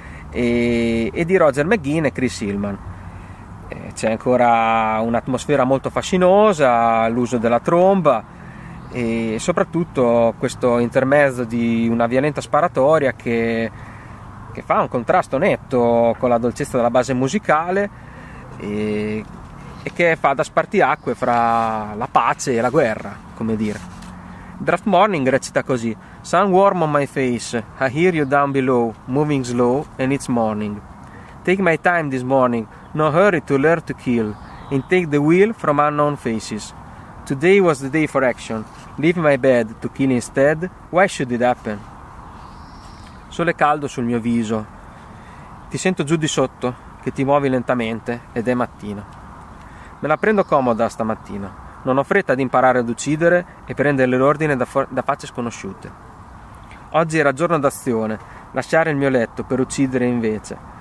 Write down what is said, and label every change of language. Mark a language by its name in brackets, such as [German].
[Italian] e di Roger McGinn e Chris Hillman. C'è ancora un'atmosfera molto fascinosa, l'uso della tromba e soprattutto questo intermezzo di una violenta sparatoria che fa un contrasto netto con la dolcezza della base musicale e che fa da spartiacque fra la pace e la guerra, come dire. [English] Draft Morning [Italian] recita così: [English] "Sun warm on my face, I hear you down below, moving slow, and it's morning. Take my time this morning, no hurry to learn to kill, and take the wheel from unknown faces. Today was the day for action, leave my bed to kill instead, why should it happen?" [Italian] Sole caldo sul mio viso, ti sento giù di sotto, che ti muovi lentamente, ed è mattina. Me la prendo comoda stamattina, non ho fretta di imparare ad uccidere e prendere l'ordine da facce sconosciute. Oggi era giorno d'azione, lasciare il mio letto per uccidere invece.